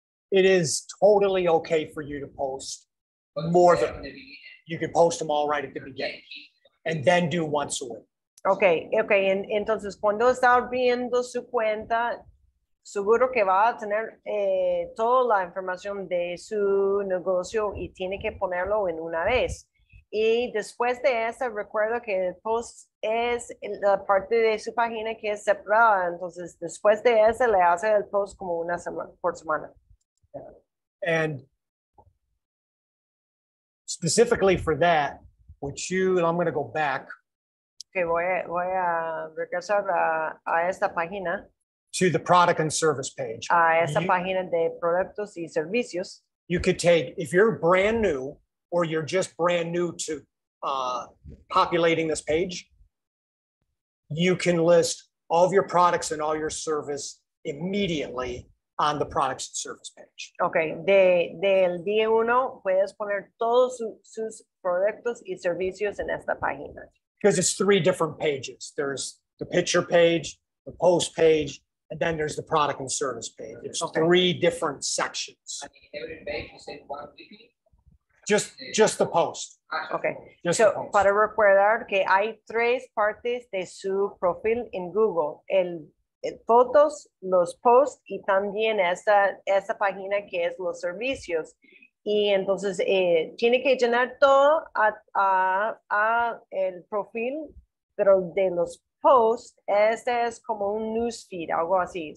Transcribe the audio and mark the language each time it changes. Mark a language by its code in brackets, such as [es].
[en] it is totally okay for you to post more than you can post them all right at the beginning and then do once a week. Okay. [es] Entonces, cuando está abriendo su cuenta, seguro que va a tener toda la información de su negocio y tiene que ponerlo en una vez. Y después de eso, recuerdo que el post es la parte de su página que es separada. Entonces, después de eso, le hace el post como una semana por semana. [en] And specifically for that, and I'm going to go back. [es] Okay, voy a regresar a esta página. [en] To the product and service page. [es] A esta página de productos y servicios. [en] You could take, if you're brand new, or you're just brand new to populating this page, you can list all of your products and all your service immediately on the products and service page. [es] Okay, del día uno puedes poner todos sus productos y servicios en esta página. [en] Because it's three different pages. There's the picture page, the post page, and then there's the product and service page. It's three different sections. And the inherited page, you said one weekly? Just the post. Okay. Just so, post. [es] Para recordar que hay tres partes de su profil en Google. El fotos, los posts, y también esa página que es los servicios. Y entonces, tiene que llenar todo a el profil, pero de los posts, este es como un newsfeed, algo así.